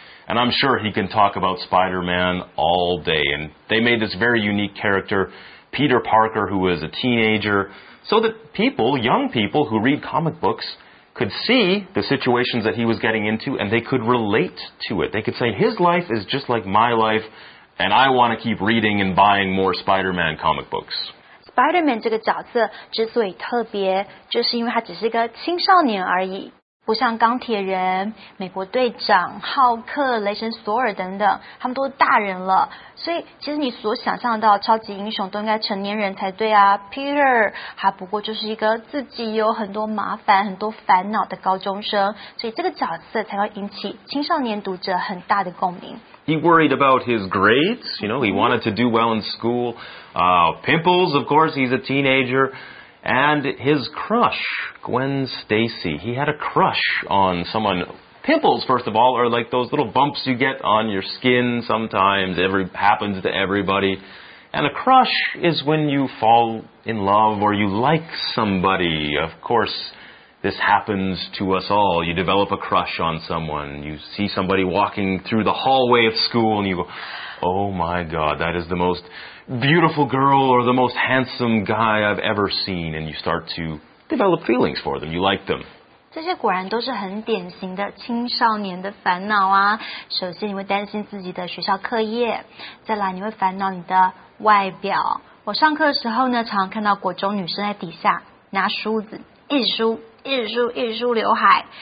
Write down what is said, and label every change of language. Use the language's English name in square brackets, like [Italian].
[English] And I'm sure he can talk about Spider-Man all day. And they made this very unique character, Peter Parker, who was a teenager, so that people, young people who read comic books, could see the situations that he was getting into, and they could relate to it. They could say, his life is just like my life, and I want to keep reading and buying more Spider-Man comic books. [Chinese] Spider-Man 这个角色之所以特别，就是因为他只是一个青少年而已，不像钢铁人、美国队长、浩克、雷神索尔等等，他们都大人了。所以其实你所想象到超级英雄都应该成年人才对啊。 Peter 还不过就是一个自己有很多麻烦、很多烦恼的高中生，所以这个角色才会引起青少年读者很大的共鸣。 [English] He worried about his grades, you know, he wanted to do well in school. Pimples, of course, he's a teenager. And his crush, Gwen Stacy, he had a crush on someone. Pimples, first of all, are like those little bumps you get on your skin sometimes. Happens to everybody. And a crush is when you fall in love or you like somebody. Of course, this happens to us all. You develop a crush on someone. You see somebody walking through the hallway of school and you go, oh my God, that is the most beautiful girl or the most handsome guy I've ever seen. And you start to develop feelings for them. You like them. [Chinese] 这些果然都是很典型的青少年的烦恼啊。首先你会担心自己的学校课业，再来你会烦恼你的外表。我上课的时候呢，常常看到国中女生在底下拿梳子一直梳一直梳一直梳刘海。